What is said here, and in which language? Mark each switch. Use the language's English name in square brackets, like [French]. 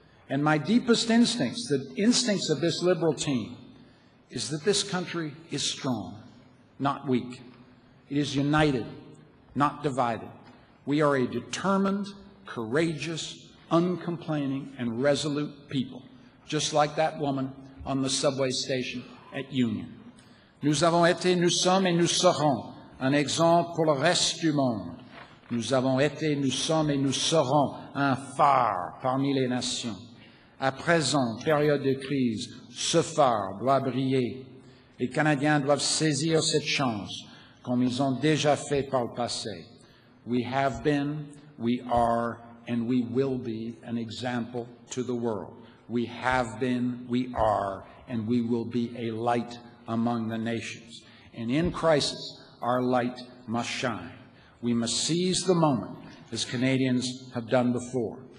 [English] And my deepest instincts, the instincts of this liberal team, is that this country is strong, not weak. It is united, not divided. We are a determined, courageous, uncomplaining, and resolute people, just like that woman on the subway station at Union. [French] Nous avons été, nous sommes, et nous serons un exemple pour le reste du monde. Nous avons été, nous sommes, et nous serons un phare parmi les nations. À présent, période de crise, ce phare doit briller. Les Canadiens doivent saisir cette chance, comme ils ont déjà fait par le passé. [English] We have been, we are, and we will be an example to the world. We have been, we are, and we will be a light among the nations. And in crisis, our light must shine. We must seize the moment, as Canadians have done before.